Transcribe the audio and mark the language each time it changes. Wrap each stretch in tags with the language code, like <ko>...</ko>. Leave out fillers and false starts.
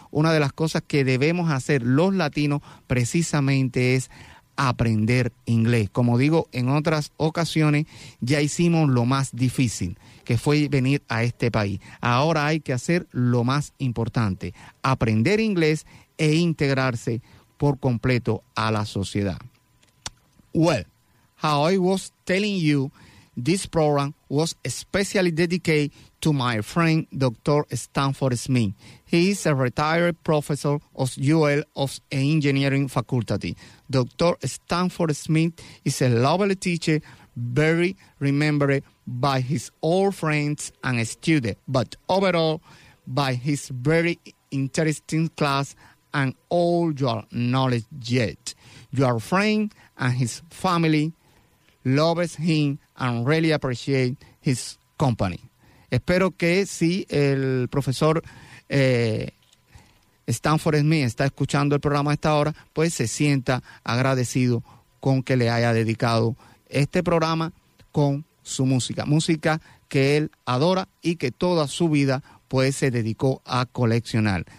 <es>Una de las cosas que debemos hacer los latinos precisamente es aprender inglés. Como digo, en otras ocasiones ya hicimos lo más difícil, que fue venir a este país. Ahora hay que hacer lo más importante, aprender inglés e integrarse por completo a la sociedad.</es> <en>Well, how I was telling you, this program was especially dedicated to my friend Dr. Stanford Smith. He is a retired professor of UL of Engineering Faculty. Dr. Stanford Smith is a lovely teacher, very remembered by his old friends and students, but overall by his very interesting class and all your knowledge yet. Your friend and his family loves him and really appreciate his company.</en> <es>Espero que si el profesor Stanford Smith está escuchando el programa a esta hora, pues se sienta agradecido con que le haya dedicado este programa con su música. Música que él adora y que toda su vida pues se dedicó a coleccionar.</es>